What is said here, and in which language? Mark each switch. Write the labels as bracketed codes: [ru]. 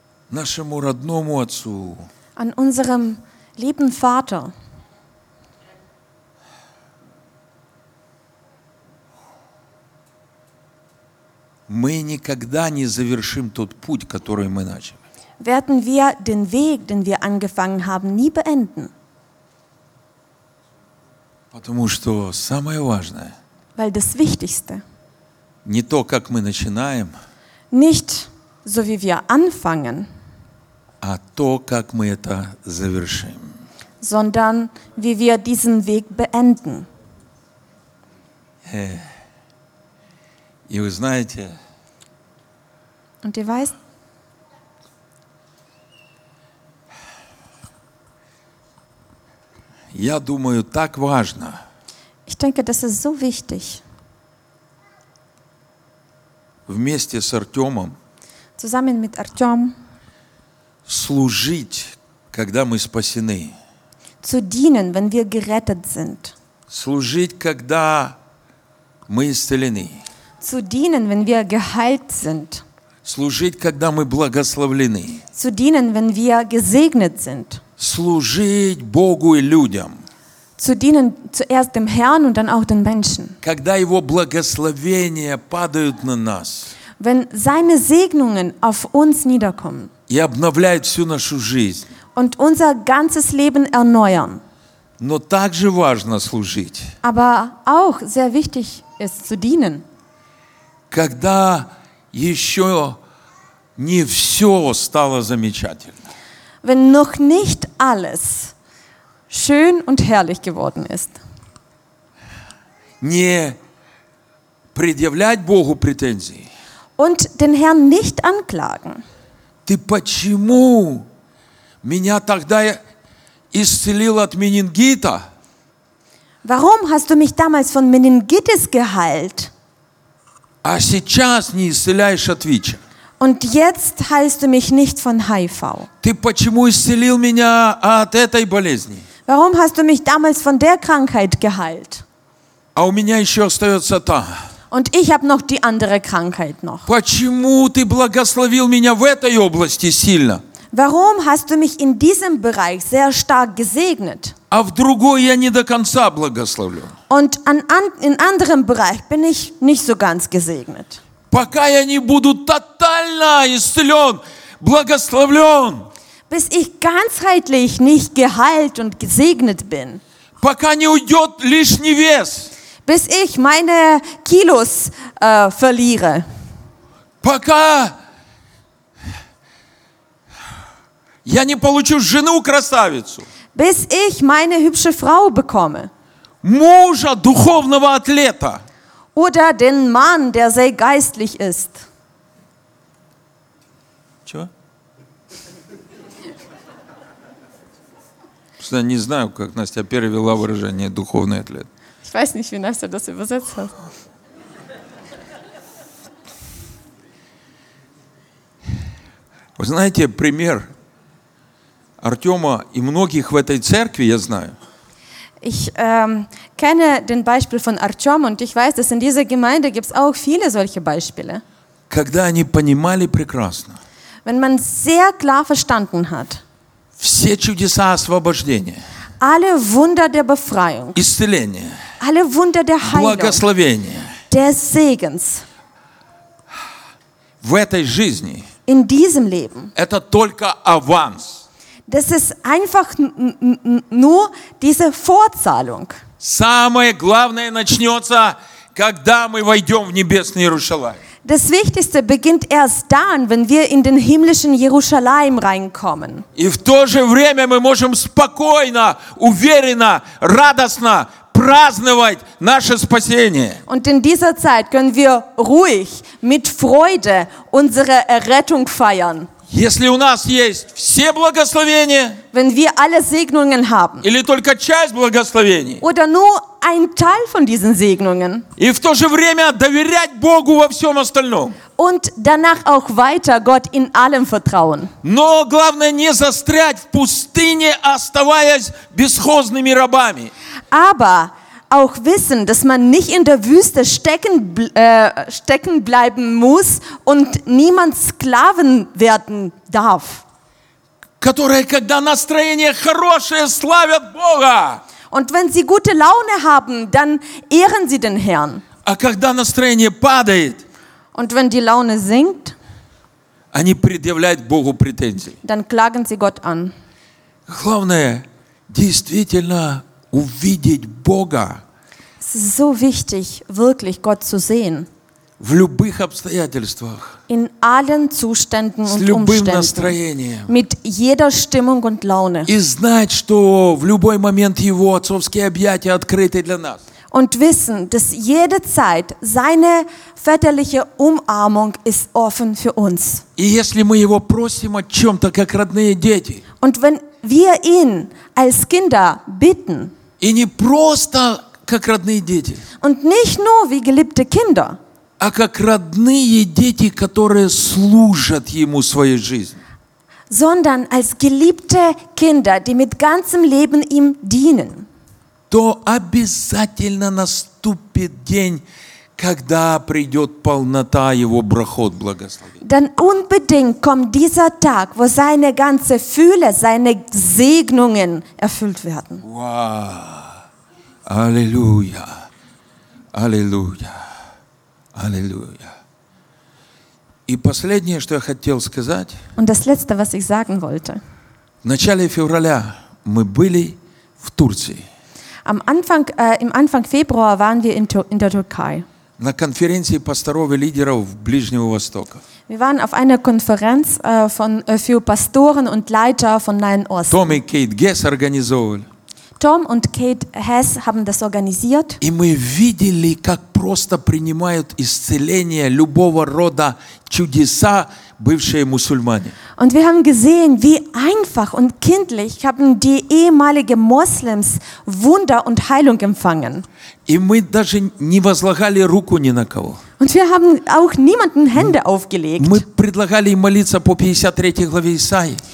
[ru] нашему родному отцу, [de] an unserem lieben Vater, [ru] мы никогда не завершим тот путь, который мы начали. [de] Werden wir den Weg, den wir angefangen haben, nie beenden. [ru] Потому что самое важное, [de] weil das Wichtigste, [ru] не то, как мы начинаем, [de] nicht so, wie wir anfangen, [ru] а то, как мы это завершим, [de] sondern wie wir diesen Weg beenden. [ru] И вы знаете, [de] und ihr weißt, [ru] Я думаю, так важно. [de] Ich denke, das ist so wichtig. [ru] Вместе с Артемом. [de] Zusammen mit Artem. [ru] Служить, когда мы спасены. [de] Zu dienen, wenn wir gerettet sind. [ru] Служить, когда мы исцелены. [de] Zu dienen, wenn wir geheilt sind. [ru] Служить, когда мы благословлены. [de] Zu dienen, wenn wir gesegnet sind. [ru] Служить Богу и людям. [de] Zu dienen zuerst dem Herrn und dann auch den Menschen. [ru] Когда его благословения падают на нас. [de] Wenn seine Segnungen auf uns niederkommen. [ru] И обновляют всю нашу жизнь. [de] Und unser ganzes Leben erneuern. [ru] Но также важно служить. [de] Aber auch sehr wichtig ist zu dienen. [ru] Когда еще не все стало замечательно. [de] Wenn noch nicht alles schön und herrlich geworden ist. [ru] Не предъявлять Богу претензии. [de] Und den Herrn nicht anklagen. [ru] Ты почему меня тогда исцелил от менингита? [de] Warum hast du mich damals von Meningitis geheilt? [ru] А сейчас не исцеляешь от ВИЧ. [de] Und jetzt heilst du mich nicht von HIV. [ru] Ты почему исцелил меня от этой болезни? [de] Warum hast du mich damals von der Krankheit geheilt? [ru] А у меня еще остается та. [de] Und ich habe noch die andere Krankheit noch. [ru] Почему ты благословил меня в этой области сильно? [de] Warum hast du mich in diesem Bereich sehr stark gesegnet? [ru] А в другой я не до конца благословлю. [de] Und in anderem Bereich bin ich nicht so ganz gesegnet. [ru] Пока я не буду тотально исцелен, благословлен. [de] Bis ich ganzheitlich nicht geheilt und gesegnet bin. [ru] Пока не уйдет лишний вес. [de] Bis ich meine Kilos verliere. [ru] Пока я не получу жену красавицу. [de] Bis ich meine hübsche Frau bekomme. [ru] Мужа духовного атлета. [de] Oder den Mann, der sehr geistlich ist. [ru] Что? Не знаю, как Настя перевела выражение духовный атлет. [de] Ich weiß nicht, wie Nastja das übersetzt hat. [ru] Вы знаете, пример Артема и многих в этой церкви, я знаю. [de] Ich kenne den Beispiel von Artem und ich weiß, dass in dieser Gemeinde gibt es auch viele solche Beispiele. [ru] Когда они понимали прекрасно. [de] Wenn man sehr klar verstanden hat. [ru] Все чудеса освобождения. [de] Alle Wunder der Befreiung. [ru] Исцеление. [de] Alle Wunder der Heilung. [ru] Благословение. [de] Des Segens. [ru] В этой жизни. [de] In diesem Leben. [ru] Это только аванс. [de] Das ist einfach nur diese Vorzahlung. [ru] Самое главное начнется, когда мы войдем в небесный Иерусалим. [de] Das Wichtigste beginnt erst dann, wenn wir in den himmlischen Jerusalem reinkommen. [ru] И в то же время мы можем спокойно, уверенно, радостно праздновать наше спасение. [de] Und in dieser Zeit können wir ruhig mit Freude unsere Errettung feiern. [ru] Если у нас есть все благословения, [de] wenn wir alle Segnungen haben, [ru] или только часть благословений, [de] oder nur ein Teil von diesen Segnungen, [ru] и в то же время доверять Богу во всем остальном, [de] und danach auch weiter Gott in allem vertrauen. [ru] Но главное не застрять в пустыне, оставаясь бесхозными рабами. [de] Aber auch wissen, dass man nicht in der Wüste stecken bleiben muss und niemand Sklaven werden darf. [ru] Которые, когда настроение хорошее, славят Бога. [de] Und wenn sie gute Laune haben, dann ehren sie den Herrn. [ru] А когда настроение падает, [de] und wenn die Laune sinkt, [ru] они предъявляют Богу претензии. [de] Dann klagen sie Gott an. [ru] Главное, действительно увидеть Бога. [de] Es ist so wichtig, wirklich Gott zu sehen. [ru] В любых обстоятельствах. [de] In allen Zuständen und Umständen. [ru] С любым настроением. [de] Mit jeder Stimmung und Laune. [ru] И знать, что в любой момент Его отцовские объятия открыты для нас. [de] und wissen, dass jederzeit seine väterliche Umarmung ist offen für uns. Und wenn wir ihn als Kinder bitten, und nicht nur wie geliebte Kinder, [ru] а как родные дети, которые служат ему своей жизнью. [de] Sondern als geliebte Kinder, die mit ganzem Leben ihm dienen. [ru] То обязательно наступит день, когда придет полнота его брахот благословения. [de] Dann unbedingt kommt dieser Tag, wo seine ganze Fülle, seine Segnungen erfüllt werden. [ru] Wow. Аллилуйя. Аллилуйя. Аллилуйя. И последнее, что я хотел сказать. [de] Und das Letzte, was ich sagen wollte. [ru] В начале февраля мы были в Турции. [de] Am Anfang, im Anfang Februar waren wir in der Türkei. [ru] На конференции пасторов и лидеров Ближнего Востока. [de] Wir waren auf einer Konferenz von für Pastoren und Leiter von Nahen Osten. [ru] Tom и Kate Hess организовали. [de] Tom und Kate Hess haben das organisiert. [ru] И мы видели, как просто принимают исцеление любого рода чудеса бывшие мусульмане. [de] Und wir haben gesehen, wie einfach und kindlich haben die ehemaligen Moslems Wunder und Heilung empfangen. [ru] И мы даже не возлагали руку ни на кого. [de] Und wir haben auch niemanden Hände aufgelegt. [ru] Мы предлагали им молиться по 53 главе Исаии.